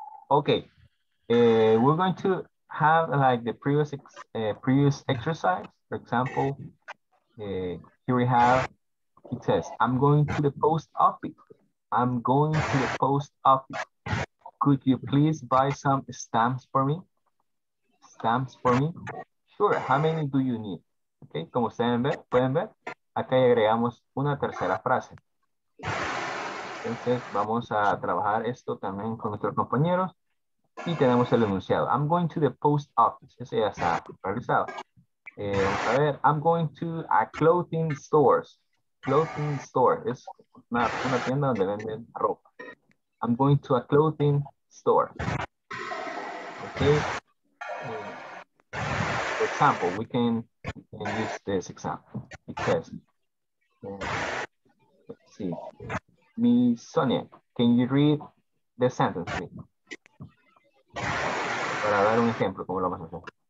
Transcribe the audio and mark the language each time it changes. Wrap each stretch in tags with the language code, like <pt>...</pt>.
<en>Okay, we're going to have like the previous previous exercise. For example, here we have, it says, I'm going to the post office. I'm going to the post office. Could you please buy some stamps for me? Stamps for me? Sure, how many do you need?</en> <es>Okay, como ustedes pueden ver, acá agregamos una tercera frase. Entonces vamos a trabajar esto también con nuestros compañeros. Y tenemos el enunciado.</es> <en>I'm going to the post office.</en> <es>Ese ya está realizado. A ver,</es> <en>I'm going to a clothing store. Clothing store.</en> <es>Es una tienda donde venden ropa.</es> <en>I'm going to a clothing store. Okay. For example, we can use this example. Because, let's see. Miss Sonia, can you read the sentence, please?</en> <es>Para dar un ejemplo, ¿cómo lo vamos a hacer?</es>